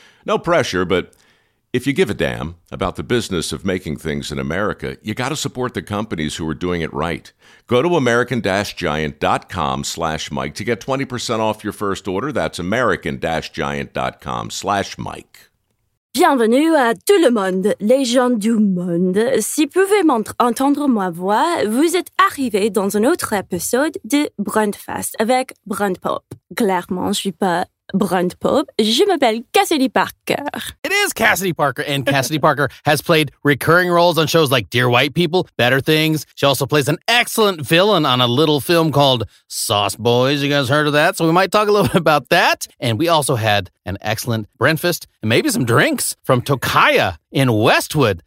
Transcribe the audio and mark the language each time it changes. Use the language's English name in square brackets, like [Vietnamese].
[English] No pressure, but if you give a damn about the business of making things in America, you got to support the companies who are doing it right. Go to American-Giant.com/Mike to get 20% off your first order. That's American-Giant.com/Mike. [French] Bienvenue à tout le monde, les gens du monde. Si vous pouvez entendre ma voix, vous êtes arrivés dans un autre épisode de Brandfast avec Brand Pop. Clairement, je suis pas Brand Pop. Je m'appelle Cassidy Parker. [English] It is Cassidy Parker, and Cassidy Parker has played recurring roles on shows like Dear White People, Better Things. She also plays an excellent villain on a little film called Sauce Boys. You guys heard of that? So we might talk a little bit about that. And we also had an excellent breakfast and maybe some drinks from Tokaya in Westwood.